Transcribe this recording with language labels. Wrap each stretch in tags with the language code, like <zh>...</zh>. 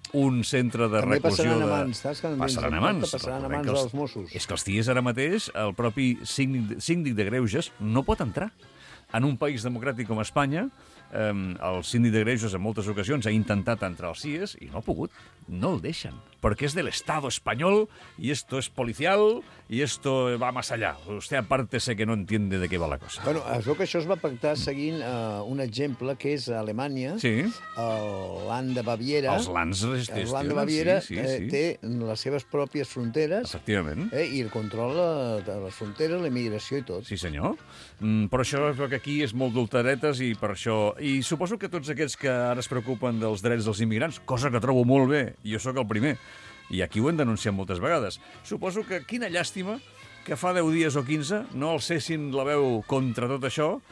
<ca>Un centre de reclusió de... Passaran a mans dels Mossos. És que els CIES ara mateix, el propi síndic de Greuges, no pot entrar. En un país democràtic com Espanya, el síndic de Greuges en moltes ocasions ha intentat entrar als CIES i no ha pogut. No el deixen.</ca> <es>porque es del Estado español y esto es policial y esto va más allá. Usted aparte sé que no entiende de qué va la cosa.</es> <ca>Bueno, es veu que això es va pactar seguint un exemple que és a Alemanya, sí. El Land de Baviera. Els Lands resistents. El Land de Baviera, sí, sí, sí. Té les seves pròpies fronteres. Efectivament. I el control de les fronteres, la immigració i tot. Sí, senyor. Però això es veu que aquí és molt d'ultradretes i per això... I suposo que tots aquests que ara es preocupen dels drets dels immigrants, cosa que trobo molt bé, jo sóc el primer, i aquí ho hem denunciat moltes vegades, suposo que quina llàstima que fa 10 dies o 15 no alcessin la veu contra tot això,</ca>